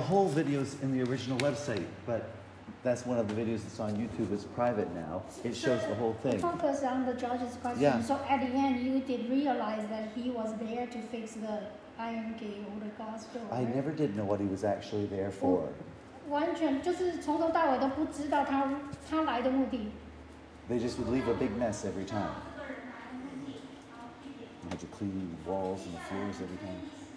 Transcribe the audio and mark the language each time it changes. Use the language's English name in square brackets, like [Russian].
[English] whole video is in the original website, but that's one of the videos that's on YouTube. It's private now. It shows the whole thing. Focus on the judge's question. Yeah. So at the end, you did realize that he was there to fix the iron gate or the glass door. I never did know what he was actually there for. [Chinese] 完全就是从头到尾都不知道他来的目的。 [English] They just would leave a big mess every time. You had to clean the walls and the floors every time.